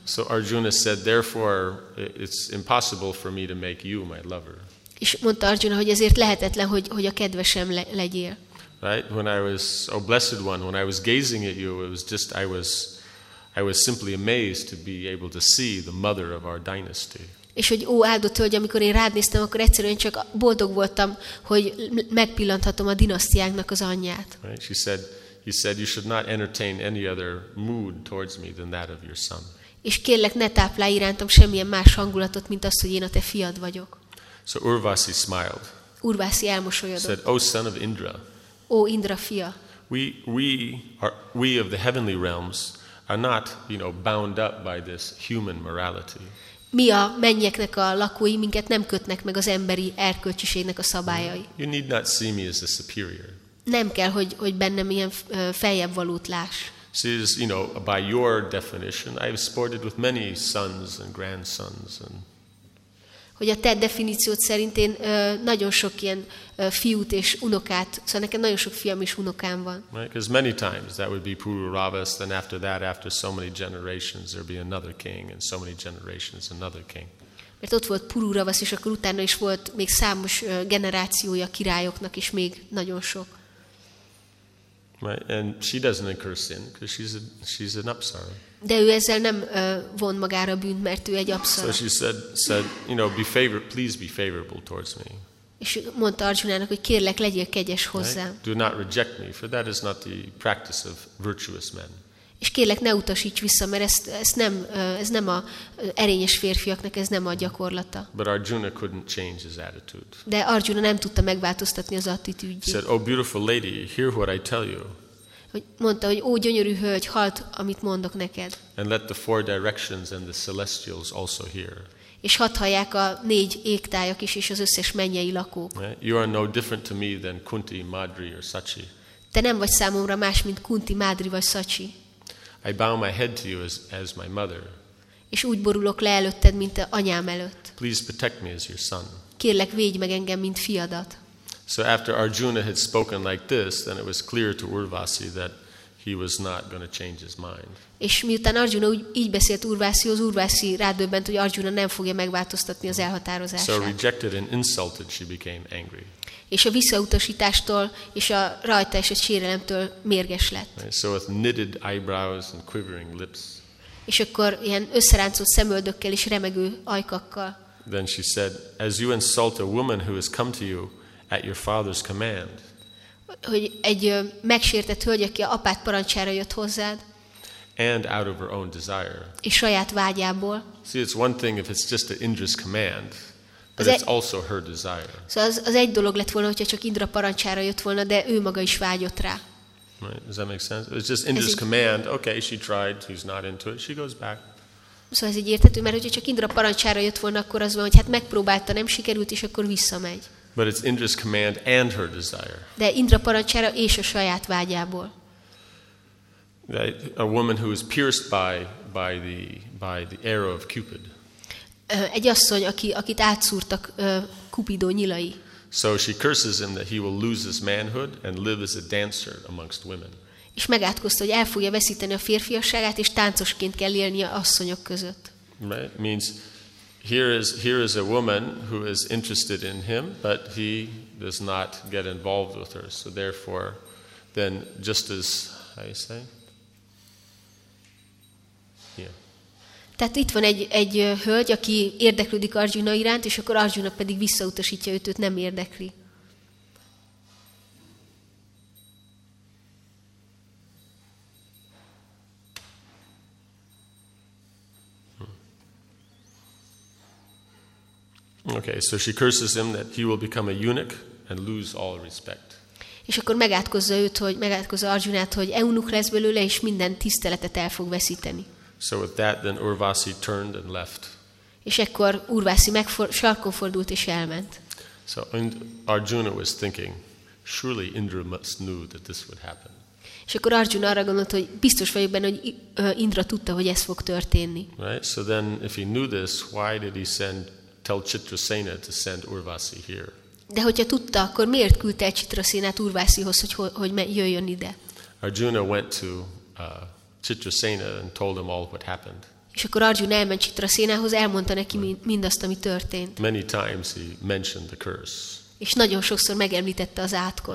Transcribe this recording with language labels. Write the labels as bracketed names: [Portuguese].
[English] So Arjuna said, therefore it's impossible for me to make you my lover. [Hungarian] És mondta Arjuna, hogy ezért lehetetlen, hogy a kedvesem legyél. [English] Right, when I was, oh blessed one, when I was gazing at you, it was just I was simply amazed to be able to see the mother of our dynasty. [Hungarian] És hogy ó áldott hölgy, amikor én rád néztem, akkor egyszerűen csak boldog voltam, hogy megpillanthatom a dinasztiánknak az anyját. [English] Right, he said you should not entertain any other mood towards me than that of your son. [Hungarian] És kérlek, ne táplálj irántam semmilyen más hangulatot, mint azt, hogy én a te fiad vagyok. [English] So Urvasi smiled. [Hungarian] Urvasi elmosolyodott. [English] Said, O son of Indra. [Hungarian] Ó Indra fia. [English] We of the heavenly realms are not, you know, bound up by this human morality. [Hungarian] Mi a mennyeknek a lakói, minket nem kötnek meg az emberi erkölcsiségnek a szabályai. [English] You need not see me as a superior. [Hungarian] Nem kell, hogy bennem ilyen feljebb valót láss. [English] Says, you know, by your definition, I've sported with many sons and grandsons and. [Hungarian] Hogy a te definíciót szerint én nagyon sok ilyen fiút és unokát, szóval nekem nagyon sok fiam és unokám van. [English] Right, because many times that would be Pururavas, then after that, after so many generations, there'd be another king, and so many generations, another king. [Hungarian] Mert ott volt Pururavas, és akkor utána is volt még számos generációja királyoknak, és még nagyon sok. [English] Right, and she doesn't incur sin, because she's an apsara. [Hungarian] De ő ezzel nem von magára bűnt, mert ő egy apszara. [English] So she said, you know, be favorable, please be favorable towards me. [Hungarian] És mondta Arjunának, hogy kérlek, legyél kegyes hozzám. [English] Right? Do not reject me, for that is not the practice of virtuous men. [Hungarian] És kérlek, ne utasíts vissza, mert ez nem a erényes férfiaknak, ez nem a gyakorlata. [English] But Arjuna couldn't change his attitude. [Hungarian] De Arjuna nem tudta megváltoztatni az attitűdjét. [English] Said, oh beautiful lady, hear what I tell you. [Hungarian] Hogy mondta, hogy ó gyönyörű hölgy, halld, amit mondok neked. [English] And let the four directions and the celestials also hear. [Hungarian] És hadd hallják a négy égtájak is, és az összes mennyei lakók. [English] You are no different to me than Kunti, Madri or Sachi. [Hungarian] Te nem vagy számomra más, mint Kunti, Madri vagy Sachi. [English] I bow my head to you as my mother. [Hungarian] És úgy borulok le előtted, mint anyám előtt. [English] Please protect me as your son. [Hungarian] Kérlek, védj meg engem, mint fiadat. [English] So after Arjuna had spoken like this, then it was clear to Urvasi that he was not going to change his mind. [Hungarian] És miután Arjuna így beszélt Urvasihoz, Urvasi rádöbbent, hogy Arjuna nem fogja megváltoztatni az elhatározását. [English] So rejected and insulted, she became angry. [Hungarian] És a visszautasítástól és a rajta esett sérelemtől mérges lett. [English] So with knitted eyebrows and quivering lips. [Hungarian] És akkor ilyen összeráncolt szemöldökkel és remegő ajkakkal. [English] Then she said, as you insult a woman who has come to you at your father's command. [Hungarian] Hogy egy megsértett hölgy, aki a apád parancsára jött hozzád. [English] And out of her own desire. [Hungarian] És saját vágyából. [English] See, it's one thing if it's just an Indra's command. But it's also her desire. [Hungarian] Szóval az egy dolog lett volna, hogyha csak Indra parancsára jött volna, de ő maga is vágyott rá. [English] Right. Does that make sense? It's just Indra's command. Okay, she tried. He's not into it. She goes back. [Hungarian] Szóval ez így érthető, mert hogyha csak Indra parancsára jött volna, akkor az van, hogy hát megpróbálta, nem sikerült, és akkor visszamegy. [English] But it's Indra's command and her desire. [Hungarian] De Indra parancsára és a saját vágyából. [English] A woman who is pierced by the arrow of Cupid. [Hungarian] Egy asszony, akit átszúrtak Cupido nyilai. [English] So she curses him that he will lose his manhood and live as a dancer amongst women. [Hungarian] És megátkozta, hogy el fogja veszíteni a férfiasságát és táncosként kell élni a asszonyok között. [English] Right? Means here is a woman who is interested in him, but he does not get involved with her. So therefore, then just as I say. [Hungarian] Tehát itt van egy hölgy, aki érdeklődik Arjuna iránt, és akkor Arjuna pedig visszautasítja őt nem érdekli. [English] Okay, so she curses him that he will become a eunuch and lose all respect. [Hungarian] És akkor megátkozza őt, hogy megátkozza Arjunát, hogy eunuch lesz belőle, és minden tiszteletet el fog veszíteni. [English] So with that, then Urvasi turned and left. [Hungarian] És ekkor Urvasi sarkon fordult és elment. [English] So Arjuna was thinking, surely Indra must knew that this would happen. [Hungarian] És akkor Arjuna arra gondolt, hogy biztos vagyok benne, hogy Indra tudta, hogy ez fog történni. [English] Right. So then, if he knew this, why did he tell Chitrasena to send Urvasi here? [Hungarian] De hogyha tudta, akkor miért küldte Chitrasenát Urvasihoz, hogy jöjjön ide? [English] Arjuna went to Chitrasena and told him all what happened. [Hungarian] És akkor Arjuna elment Chitrasenához, elmondta neki mindazt, ami történt. [English] Many times he mentioned the curse. [Hungarian] És nagyon sokszor megemlítette az átkot.